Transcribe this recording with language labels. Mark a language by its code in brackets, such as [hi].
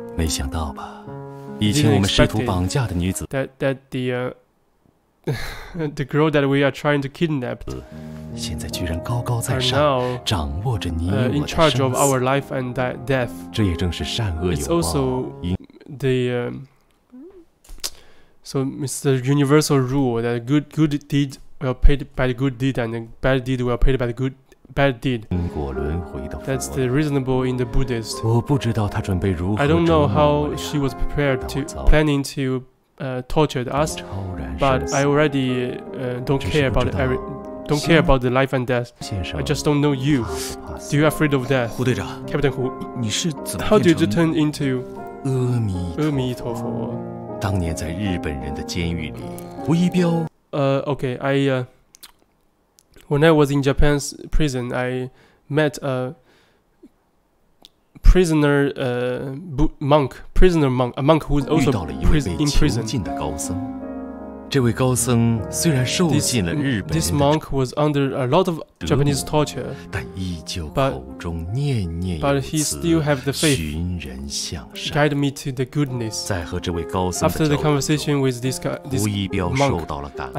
[zh] 没想到吧，以前我们试图绑架的女子 [en] ，that the the girl that we are trying to kidnap， [zh] 现在居然高高在上，掌握着你我的生死。 [en] In charge of our life and death， [zh] 这也正是善恶有报。 [en] It's also the so Mr. Universal rule that good deed will paid by good deed and bad deed will paid by good. Bad deed. That's the reasonable in the Buddhist. I don't know how she was prepared to planning to torture us, but I already don't care about the life and death. I just don't know you. Do you afraid of death? [zh] 胡队长 [en] Captain Hu, [zh] 你是怎么变成 [en] How did you turn into [zh] 阿弥陀佛当年在日本人的监狱里胡一彪 [en] Okay, When I was in Japan's prison, I met a prisoner monk, a monk who is also in prison. [zh] 遇到了一位被囚禁的高僧。 [en] This monk was under a lot of Japanese torture, [zh] 但依旧口中念念有词, [en] but he still have the faith, [zh] 寻人向善, [en] guide me to the goodness. [zh] 在和这位高僧的交流中, [en] After the conversation with this monk, [zh] 胡一彪受到了感化,